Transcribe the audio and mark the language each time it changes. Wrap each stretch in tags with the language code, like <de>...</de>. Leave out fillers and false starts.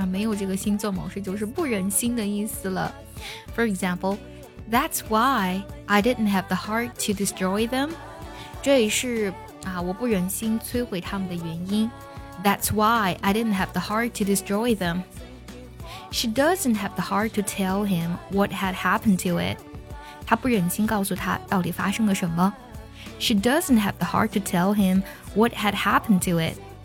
<zh>没有这个心做某事就是不忍心的意思了。</zh> <en>For example, that's why I didn't have the heart to destroy them.</en> <zh>这也是我不忍心摧毁他们的原因。</zh> <en>That's why I didn't have the heart to destroy them. She doesn't have the heart to tell him what had happened to it.</en> <zh>她不忍心告诉他到底发生了什么。</zh> <en>She doesn't have the heart to tell him what had happened to it.</en>